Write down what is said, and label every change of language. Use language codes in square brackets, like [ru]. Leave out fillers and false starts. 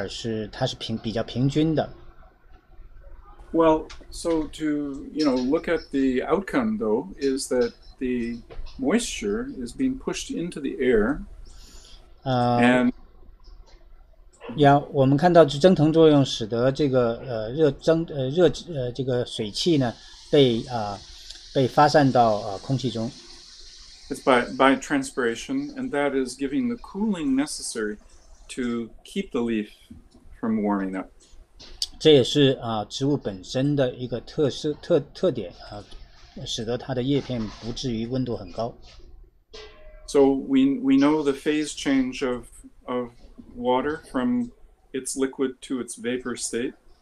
[zh] 也就是说在雨季的这个地方呢它反而是比较平均的。 [en] Well, so to, you know, look at the outcome though is that the moisture is being pushed into the air. [zh] Yeah, 我们看到蒸腾作用使得这个水汽呢被发散到空气中。 [en] It's by transpiration, and that is giving the cooling necessary to keep the leaf from warming up. [zh] 这也是植物本身的一个特点，使得它的叶片不至于温度很高。 [en] So we know the phase change of water from its liquid to its vapor state.